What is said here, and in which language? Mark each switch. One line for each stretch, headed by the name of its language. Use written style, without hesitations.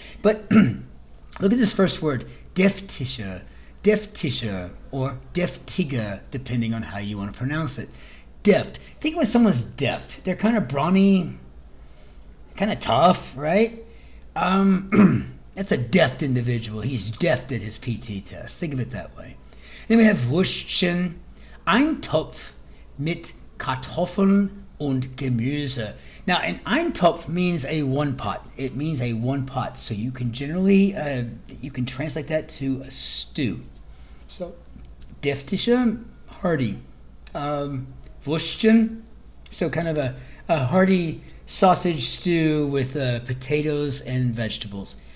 English: But look at this first word. Deftischer, or deftiger, depending on how you want to pronounce it. Deft. Think when someone's deft. They're kind of brawny, kind of tough, right? that's a deft individual. He's deft at his PT test. Think of it that way. Then we have Wurstchen.
German: Eintopf mit Kartoffeln und Gemüse.
English: Now, an Eintopf means a one pot. It means a one pot. So you can generally, you can translate that to a stew. So, deftische, hearty. Wurstchen, so kind of a hearty sausage stew with potatoes and vegetables.